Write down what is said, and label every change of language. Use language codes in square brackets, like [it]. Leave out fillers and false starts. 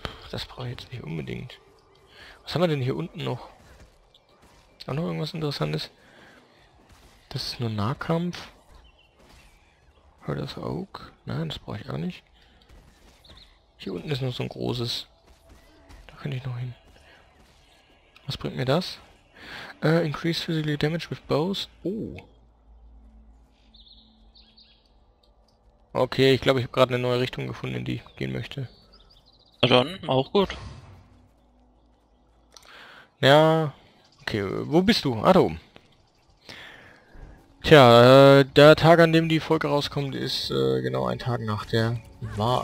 [de] Das brauche ich jetzt nicht unbedingt. Was haben wir denn hier unten noch? Auch noch irgendwas Interessantes? Das ist nur Nahkampf. Das auch? Nein, das brauche ich auch nicht. Hier unten ist noch so ein großes. Da könnte ich noch hin. Was bringt mir das? [en] Increased physical damage with bows. Oh. [de] Okay, ich glaube, ich habe gerade eine neue Richtung gefunden, in die ich gehen möchte. Na dann, auch gut. Ja. Okay, wo bist du? Ah, da oben. Tja, der Tag, an dem die Folge rauskommt, ist genau ein Tag nach der Wahl.